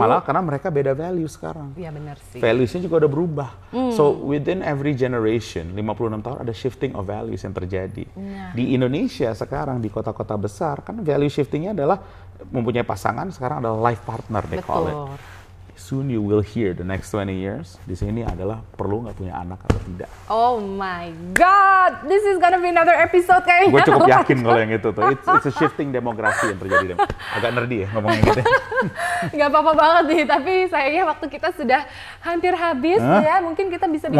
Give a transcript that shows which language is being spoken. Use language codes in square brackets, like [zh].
[id] Malah karena mereka beda value sekarang. Iya benar sih. Valuesnya juga udah berubah. [en] So within every generation, [id] 56 tahun ada [en] shifting of values [id] yang terjadi. Di Indonesia sekarang, di kota-kota besar, kan value shiftingnya adalah mempunyai pasangan, sekarang adalah life partner, [en] they call it. Soon you will hear the next 20 years. [id] Di sini adalah perlu nggak punya anak atau tidak. [en] Oh my God, this is gonna be another episode [id] kayaknya. Gue cukup yakin kalau yang itu tuh. [en] It's a shifting [id] demografi yang terjadi. Agak nerdy ya ngomongnya gitu. Gak apa-apa banget sih, tapi sayangnya waktu kita sudah hampir habis ya. Mungkin kita bisa bikin